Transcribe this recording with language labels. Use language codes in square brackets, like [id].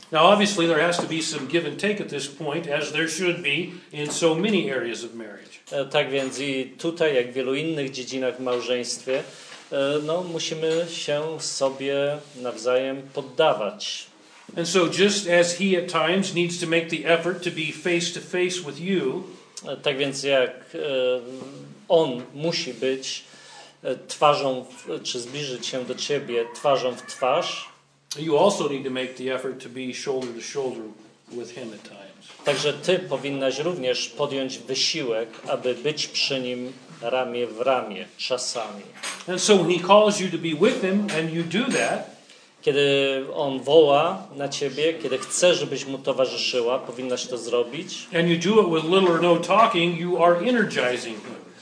[en] Now obviously there has to be some give and take at this point, as there should be in so many areas of marriage. [pl] Tak więc i tutaj, jak w wielu innych dziedzinach w małżeństwie, musimy się sobie nawzajem poddawać. [en] And so just as he at times needs to make the effort to be face to face with you, [pl] tak więc jak on musi być twarzą, czy zbliżyć się do ciebie twarzą w twarz. [en] You also need to make the effort to be shoulder to shoulder with him at times. [pl] Także ty powinnaś również podjąć wysiłek, aby być przy nim ramię w ramię czasami. [en] And so when he calls you to be with him and you do that, [pl] kiedy on woła na ciebie, kiedy chce, żebyś mu towarzyszyła, powinnaś to zrobić. [en] And you do it with little or no talking, you are energizing him.